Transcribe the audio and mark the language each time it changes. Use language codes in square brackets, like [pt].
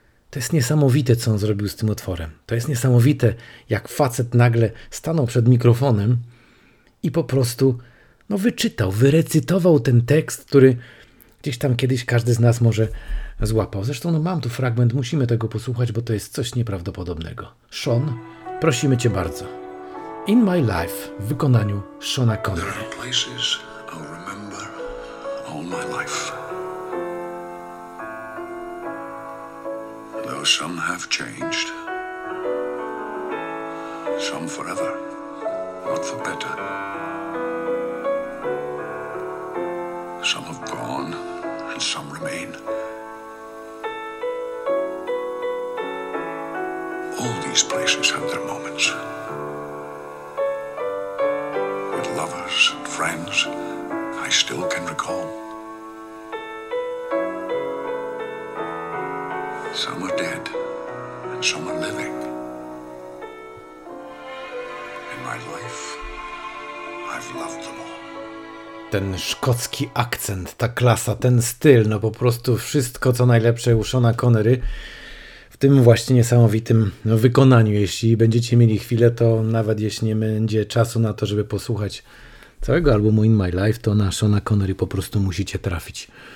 [pl] To jest niesamowite, co on zrobił z tym utworem. To jest niesamowite, jak facet nagle stanął przed mikrofonem i po prostu no, wyczytał, wyrecytował ten tekst, który gdzieś tam kiedyś każdy z nas może złapał. Zresztą no, mam tu fragment, musimy tego posłuchać, bo to jest coś nieprawdopodobnego. Sean, prosimy cię bardzo. In My Life w wykonaniu Seana Connery. [en] There are places I'll remember all my life. Though some have changed, some forever, not for better. Some have gone and some remain. All these places have their moments. Lovers and friends I still can recall. Some are dead and some are living. In my life I've loved them all. [pl] Ten szkocki akcent, ta klasa, ten styl, no po prostu wszystko co najlepsze u Seana Connery w tym właśnie niesamowitym wykonaniu. Jeśli będziecie mieli chwilę, to nawet jeśli nie będzie czasu na to, żeby posłuchać całego albumu In My Life, to na Shona Connery po prostu musicie trafić.